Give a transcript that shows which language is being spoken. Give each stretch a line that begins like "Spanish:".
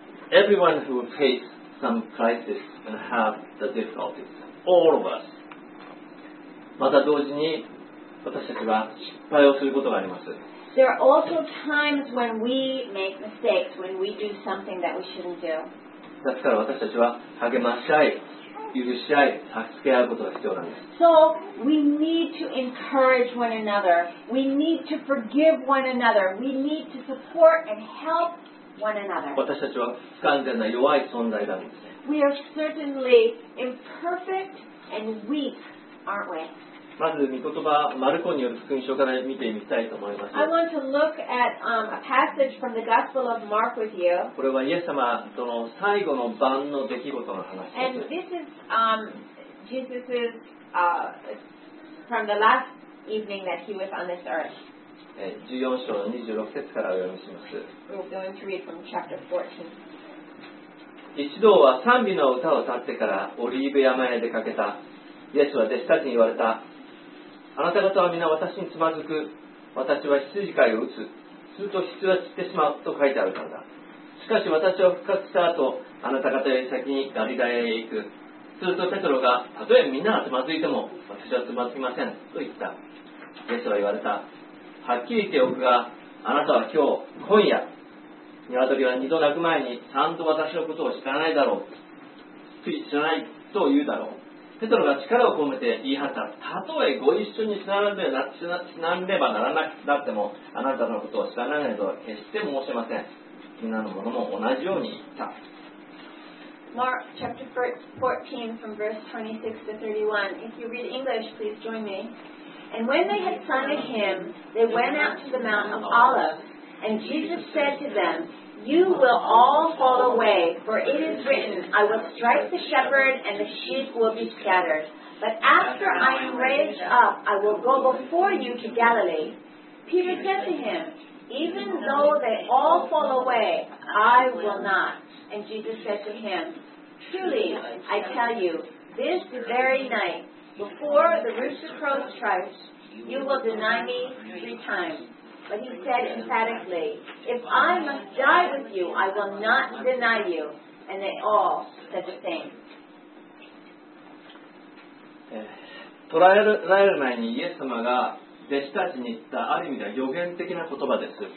English: Everyone who faces some crisis and have the difficulties. All of us.
Japanese: また同時に私たちは失敗をすることがあります。
English: There are also times when we make mistakes, when we do something that we shouldn't do.
Japanese: ですから私たちは励まし合い、許し合い、助け合うことが必要なんです。
English: So we need to encourage one another. We need to forgive one another. We need to support and help. One another.
Japanese: 私たちは不完全な弱い存在なんですね。
English: We are certainly imperfect and weak, aren't we?
Japanese: まず御言葉マルコによる福音書から見てみたいと思います。
English: I want to look at a passage from the Gospel of Mark with you.
Japanese: これはイエス様との最後の晩の出来事の話です。
English: And this is Jesus's from the last evening that he was on this earth.
Japanese: 14章の26節からお読みします。
English: We're going to read from chapter 14.
Japanese: 一同は賛美の歌を歌ってからオリーブ山へ出かけた。イエスは弟子たちに言われた。あなた方は皆私につまずく。私は羊飼いを打つ。すると羊は散ってしまうと書いてあるからだ。しかし私は復活した後、あなた方より先にガリラヤへ行く。するとペトロが、たとえみんながつまずいても、私はつまずきません。と言った。イエスは言われた。はっきり言っておくが、あなたは今日、今夜、鶏は二度鳴く前に、ちゃんと私のことを知らないだろう。知らないと言うだろう。ペトロが力を込めて言い張った。たとえご一緒に死なればならなくなっても、あなたのことを知らないとは決して申せません。みんなの者も同じように言った。
English: Mark chapter 14 from verse 26 to 31. If you read English, please join me. And when they had sung a hymn, they went out to the Mount of Olives. And Jesus said to them, You will all fall away, for it is written, I will strike the shepherd, and the sheep will be scattered. But after I am raised up, I will go before you to Galilee. Peter said to him, Even though they all fall away, I will not. And Jesus said to him, Truly, I tell you, this very night, before the rooster crows thrice, you will deny me three times. But he said emphatically, If I must die with you, I will not deny you. And they all said the same.
Japanese: 捕らえられる前にイエス様が弟子たちに言ったある意味では予言的な言葉です。